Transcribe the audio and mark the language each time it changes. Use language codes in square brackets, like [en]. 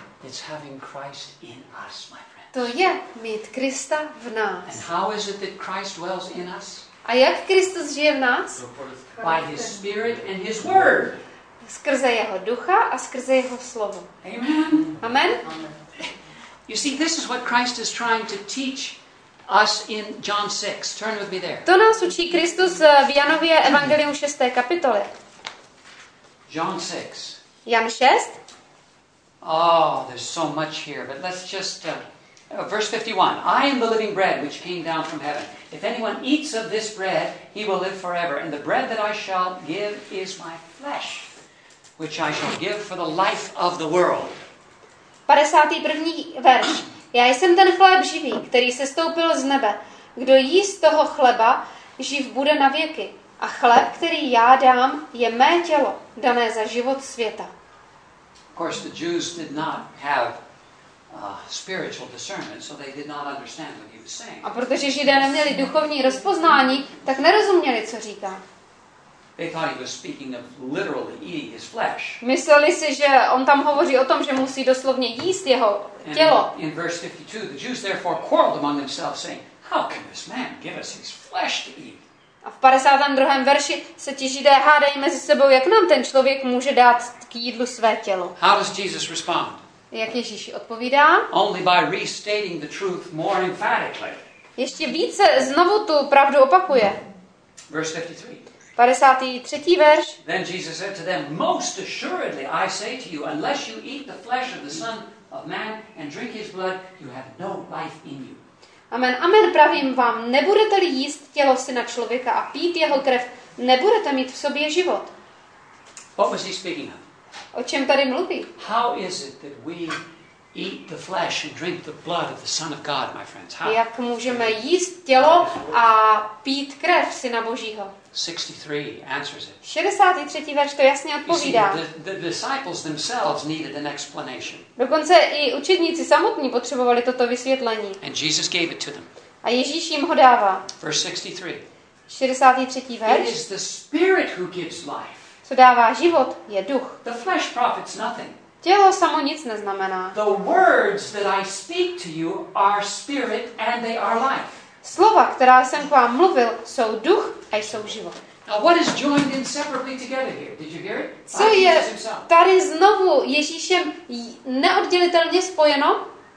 [en] It's having Christ in us, my friends. [cs] To je mít Krista v nás. [en] And how is it that Christ dwells in us? [cs] A jak Kristus žije v nás? [en] By his spirit and his word. [cs] Skrze jeho ducha a skrze jeho slovo. [en] Amen. [cs] Amen. [en] You see, this is what Christ is trying to teach us in John 6. Turn with me there. [cs] To nás učí Kristus v Janově evangeliu 6. kapitole. [en] John 6. [cs] Jan 6. [en] Oh, there's so much here, but let's just verse 51. I am the living bread which came down from heaven. If anyone eats of this bread, he will live forever. And the bread that I shall give is my flesh, which I shall give for the life of the world. [cs] 51. verš. Já jsem ten chléb živý, který sestoupil z nebe. Kdo jí z toho chleba, živ bude na věky. A chléb, který já dám, je mé tělo, dané za život světa. [en] Of course, the Jews did not have spiritual discernment, so they did not understand what he was saying. [cs] A protože Židé neměli duchovní rozpoznání, tak nerozuměli, co říká. [en] They thought he was speaking of literally eating his flesh. [cs] Mysleli si, že on tam hovoří o tom, že musí doslovně jíst jeho tělo. [en] And in verse 52, the Jews therefore quarreled among themselves, saying, "How can this man give us his flesh to eat?" [cs] A v 52. verši se ti Židé hádají mezi sebou, jak nám ten člověk může dát k jídlu své tělo. [en] How does Jesus respond? [cs] Jak Ježíš odpovídá? [en] Only by restating the truth more emphatically. [cs] Ještě více znovu tu pravdu opakuje. [en] Verse 53. [cs] 53. verš. [en] Then Jesus said to them, "Most assuredly I say to you, unless you eat the flesh of the Son of Man and drink his blood, you have no life in you." [cs] Amen, amen, pravím vám, nebudete-li jíst tělo Syna člověka a pít jeho krev, nebudete mít v sobě život. [en] What was he speaking of? [cs] O čem tady mluví? [en] How is it that we eat the flesh and drink the blood of the Son of God, my friends? How? [cs] Jak můžeme jíst tělo a pít krev Syna Božího? [en] 63 answers it. [cs] 63. verš to jasně odpovídá. [en] See, the disciples themselves needed an explanation. [cs] Dokonce i učedníci samotní potřebovali toto vysvětlení. [en] And Jesus gave it to them. [cs] A Ježíš jim ho dává. [en] Verse 63. [cs] 63. verš. [en] It is the Spirit who gives life. [cs] Co dává život, je duch. [en] The flesh profits nothing. [cs] Tělo samo nic neznamená. [en] The words that I speak to you are spirit and they are life. [cs] Slova, která jsem k vám mluvil, jsou duch a jsou život. [en] Now what is joined inseparably together here? Did you hear it? [cs] Co je tady znovu Ježíšem neoddělitelně spojeno?